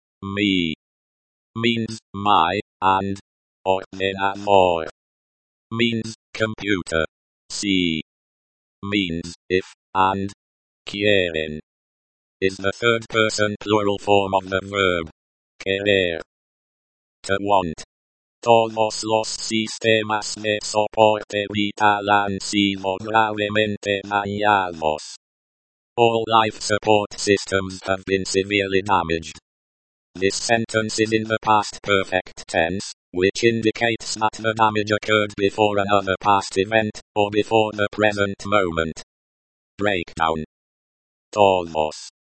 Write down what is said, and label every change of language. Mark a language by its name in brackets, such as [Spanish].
[English] Me means my, and ordenador means computer. Si means if, and quieren is the third person plural form of the verb querer, to want. [Spanish] Todos los sistemas de soporte vital han sido gravemente dañados. [English] All life support systems have been severely damaged. This sentence is in the past perfect tense, which indicates that the damage occurred before another past event, or before the present moment. Breakdown. Todos.